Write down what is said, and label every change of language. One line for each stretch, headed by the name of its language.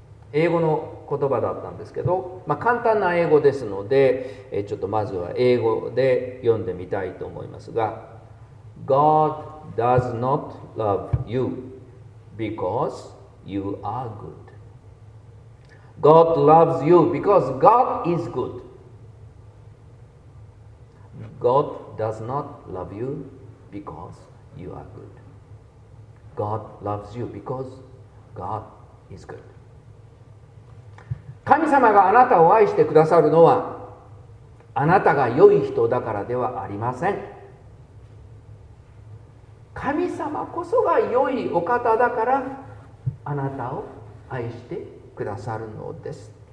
Japanese: 英語の言葉だったんですけど、まあ、簡単な英語ですので、ちょっとまずは英語で読んでみたいと思いますが、
English: God does not love you because you are good. God loves you because God is good. God does not love you because you are good. God loves you because God is good.
Japanese: 神様があなたを愛してくださるのは、あなたが良い人だからではありません。神様こそが良いお方だから、あなたを愛してくださるのです。